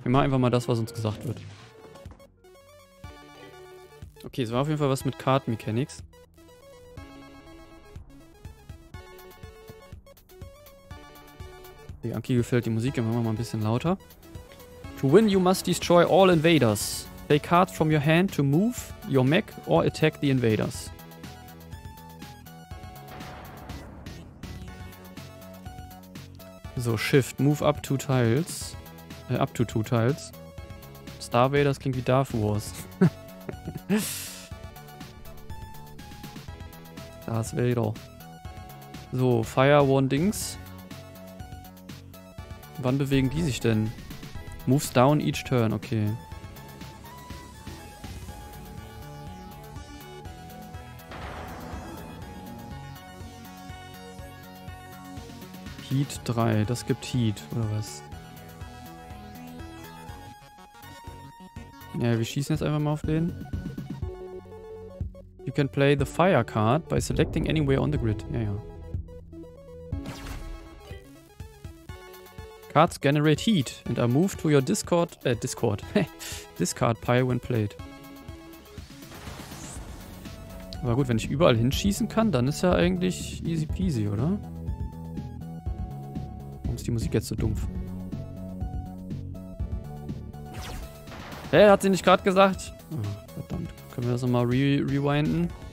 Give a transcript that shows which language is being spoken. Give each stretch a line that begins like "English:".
German: Wir machen einfach mal das, was uns gesagt wird. Okay, es war auf jeden Fall was mit Kart-Mechanics. Die Anki gefällt die Musik, dann machen wir mal ein bisschen lauter.
English: To win, you must destroy all invaders. Take cards from your hand to move your mech or attack the invaders. So, Shift. Move up two tiles. Up to two tiles.
German: Star Vaders klingt wie Darth Wars. Darth Vader. So, Fire One Dings. Wann bewegen die sich denn?
English: Moves down each turn, okay.
German: Heat 3, das gibt Heat, oder was? Ja, wir schießen jetzt einfach mal auf den.
English: You can play the fire card by selecting anywhere on the grid.
German: Ja, ja.
English: Cards generate heat and are moved to your discard pile when played.
German: Aber gut, wenn ich überall hinschießen kann, dann ist ja eigentlich easy peasy, oder? Warum ist die Musik jetzt so dumpf? Hä, hat sie nicht gerade gesagt? Oh, verdammt, können wir das nochmal rewinden?